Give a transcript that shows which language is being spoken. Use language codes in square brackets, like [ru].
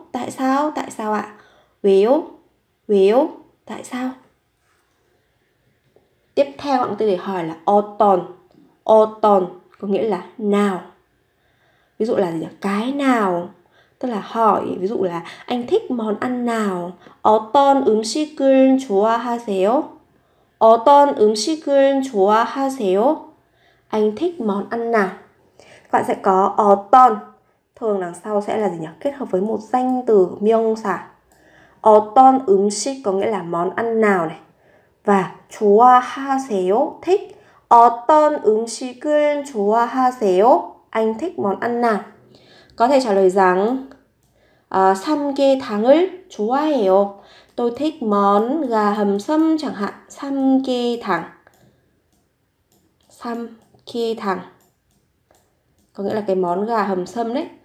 [vi] Tại sao ạ? [ko] 왜요? 왜요? [vi] Tại sao? Tiếp theo, bạn có thể hỏi là 어떤. 어떤 có nghĩa là nào. Ví dụ là gì nhỉ? Cái nào? Tức là hỏi, ví dụ là anh thích món ăn nào? [ko] 어떤 음식을 좋아하세요? 어떤 음식을 좋아하세요? [vi] Anh thích món ăn nào? Bạn sẽ có 어떤, thường đằng sau sẽ là gì nhỉ? Kết hợp với một danh từ miêu xả. 어떤 음식 có nghĩa là món ăn nào này. Và 좋아하세요, thích. [ko] 어떤 음식을 좋아하세요? [vi] Anh thích món ăn nào? Có thể trả lời rằng [ko] 삼계탕을 좋아해요. [vi] Tôi thích món gà hầm sâm chẳng hạn. [ko] 삼계탕. [vi] 삼계탕 có nghĩa là cái món gà hầm sâm đấy.